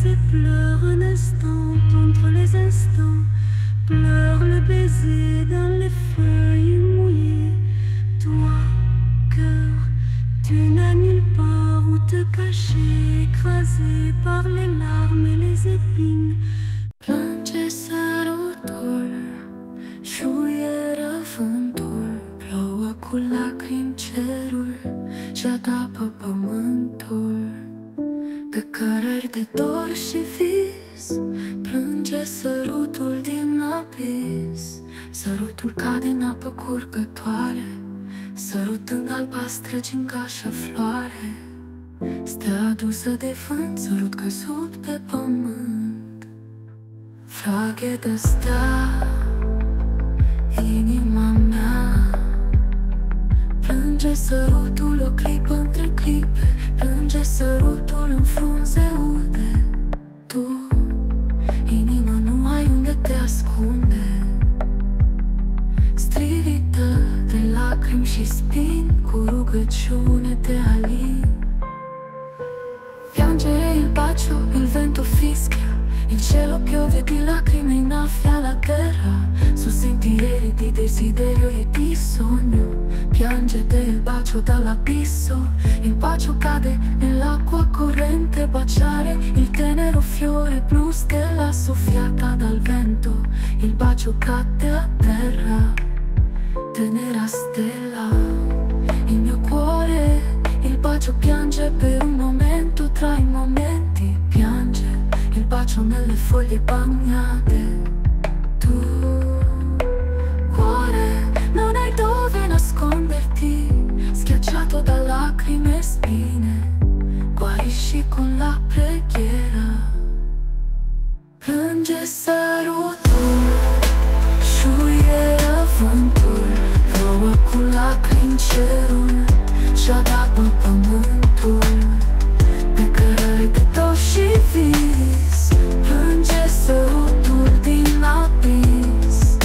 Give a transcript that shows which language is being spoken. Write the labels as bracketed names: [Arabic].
[French] Pleure un instant entre les instants, pleure le baiser dans les feuilles mouillées. Toi, cœur, tu n'as nulle part où te cacher, écrasé par les larmes et les épines. [Romanian] Plânge sărutul, șuieră vântul, plouă cu lacrimi cerul și adapă pământul. Pe cărări de dor și vis, plânge sărutul din abis. Sărutul cade în apă curgătoare, sărutând albastră gingașă floare. Stea adusă de vânt, sărut căzut pe pământ. Frage de stea, inima mea, plânge sărutul o clipă între clipe, plânge sărutul în frunze ude. Tu, inima, nu ai unde te ascunde, strivită de lacrimi și spin, cu rugăciune te alin. [Italian] Piange il bacio, il vento fischia, il cielo piove di lacrime in affia la terra. Su sentieri di desiderio e di sogno, piange del bacio dall'abisso. Il bacio cade nell'acqua corrente, baciare il tenero fiore blu stella soffiata dal vento. Il bacio cadde a terra, tenera stella. Il mio cuore, il bacio piange per un momento tra i momenti. Piange il bacio nelle foglie bagnate. Tu, cuore, non hai dove nasconderti, schiacciato da lacrime e spine, guarisci con la preghiera. [Romanian] Plânge sărutul, șuieră vântul, plouă cu lacrimi cerul și adapă pământul. Pe cărări de dor și vis, plânge sărutul din abis.